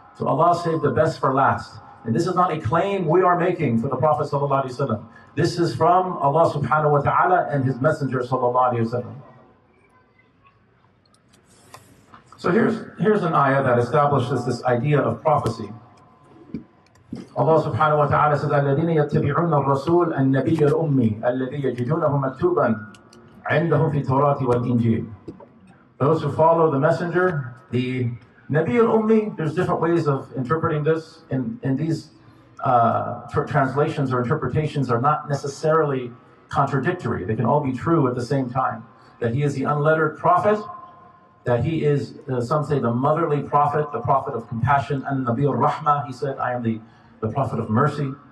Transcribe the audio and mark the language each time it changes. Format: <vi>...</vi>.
<en>So Allah saved the best for last. And this is not a claim we are making for the Prophet sallallahu alayhi wa sallam. This is from Allah subhanahu wa ta'ala and his messenger sallallahu alayhi wa sallam. So here's an ayah that establishes this idea of prophecy.</en> <ar>Allah subhanahu wa ta'ala says, الَّذِينَ يَتَّبِعُونَ الرَّسُولَ النَّبِيَّ الْأُمِّ الَّذِي يَجِدُونَهُ مَكْتُوبًا عِنْدَهُمْ فِي التَّوْرَاةِ وَالْإِنْجِيلِ.</ar> <en>Those who follow the messenger, the Nabi al-Ummi, there's different ways of interpreting this. And these translations or interpretations are not necessarily contradictory. They can all be true at the same time. That he is the unlettered prophet, that he is, some say, the motherly prophet, the prophet of compassion, and Nabi al-Rahma, he said, I am the prophet of mercy.</en>